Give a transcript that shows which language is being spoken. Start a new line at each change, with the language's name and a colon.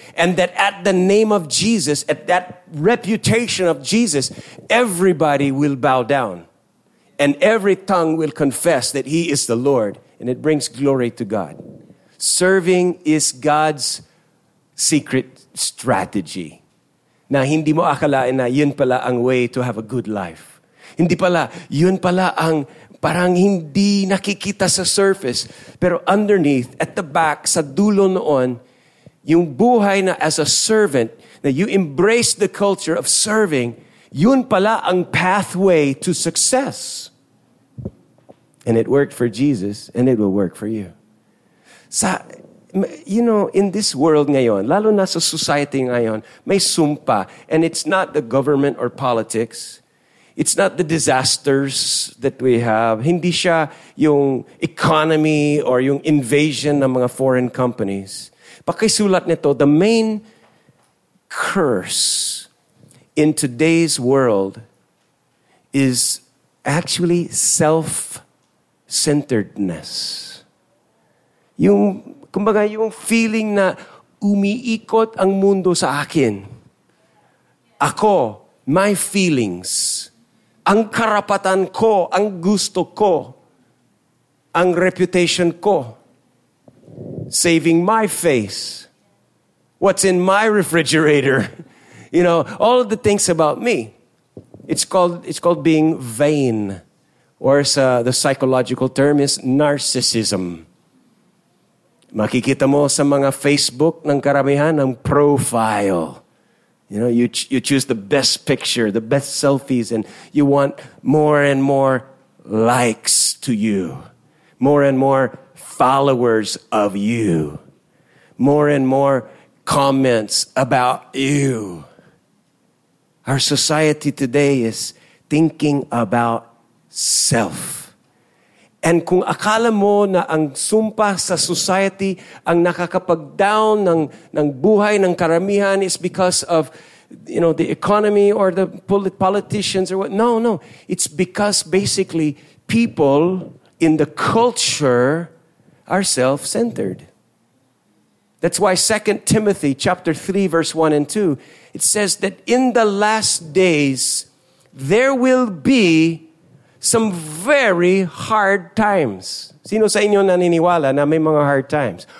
English: And that at the name of Jesus, at that reputation of Jesus, everybody will bow down. And every tongue will confess that he is the Lord. And it brings glory to God. Serving is God's secret strategy.
Filipino: Na hindi mo akalain na yun pala ang
English: way to have a good life.
Filipino: Hindi pala, yun pala ang parang hindi nakikita sa surface.
English: Pero underneath, at the back,
Filipino: sa dulo noon, yung buhay na
English: as a servant, na you embrace the culture of serving,
Filipino: yun pala ang
English: pathway to success. And it worked for Jesus, and it will work for you. Sa, you know, in this world ngayon,
Filipino: lalo na sa
English: society ngayon,
Filipino: may sumpa.
English: And it's not the government or politics. It's not the disasters that we have.
Filipino: Hindi siya yung economy or yung invasion ng mga
English: foreign companies.
Filipino: Pakisulat nito,
English: the main curse in today's world is actually self-centeredness.
Filipino: Yung, kumbaga, yung feeling na umiikot ang mundo sa akin.
English: Ako, my feelings,
Filipino: ang karapatan ko, ang gusto ko,
English: ang reputation ko, saving my face, what's in my refrigerator, you know, all of the things about me. It's called being vain, or sa, the psychological term is narcissism.
Filipino: Makikita mo sa mga Facebook ng karamihan ng profile.
English: You know, you choose the best picture, the best selfies, and you want more and more likes to you. More and more followers of you. More and more comments about you. Our society today is thinking about self. And
Filipino: kung akala mo na ang sumpa sa society ang nakakapag-down ng buhay ng karamihan
English: is because of, you know, the economy or the politicians or what. No, no. It's because basically people in the culture are self-centered. That's why 2 Timothy chapter 3 verse 1 and 2, it says that in the last days there will be some very hard times.
Filipino: Sino sa inyo naniniwala na may mga
English: hard times?